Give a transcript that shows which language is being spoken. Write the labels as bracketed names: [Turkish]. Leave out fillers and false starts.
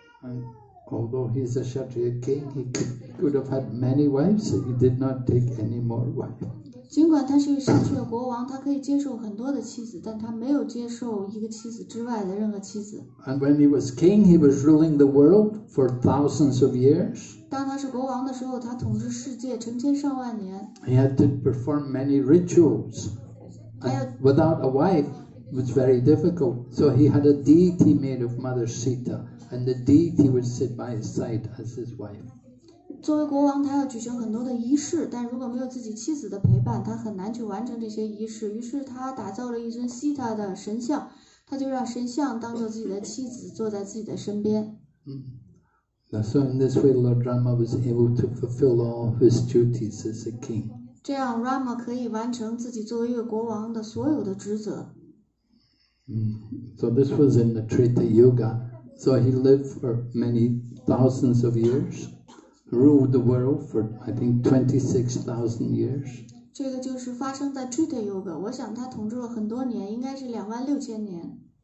[English] And although he's a Kshatriya king, he could have had many wives. He did not take any more wives. [Chinese] 尽管他是一个神奇的国王，他可以接受很多的妻子，但他没有接受一个妻子之外的任何妻子。 [English] And when he was king, he was ruling the world for thousands of years. [Chinese] 当他是国王的时候，他统治世界成千上万年。 [English] He had to perform many rituals. Without a wife, it was very difficult. So he had a deity made of Mother Sita, and the deity would sit by his side as his wife. [Chinese] 作为国王，他要举行很多的仪式，但如果没有自己妻子的陪伴，他很难去完成这些仪式。于是他打造了一尊西塔的神像，他就让神像当做自己的妻子，坐在自己的身边。 [English] So in this way, Lord Rama was able to fulfill all his duties as a king. [Chinese] 这样 ，Rama 可以完成自己作为一个国王的所有的职责。 [English] So this was in the Treta Yuga. So he lived for many thousands of years, ruled the world for, I think, 26,000 years. [Chinese] 这个就是发生在 Treta Yuga. 我想他统治了很多年，应该是26,000年。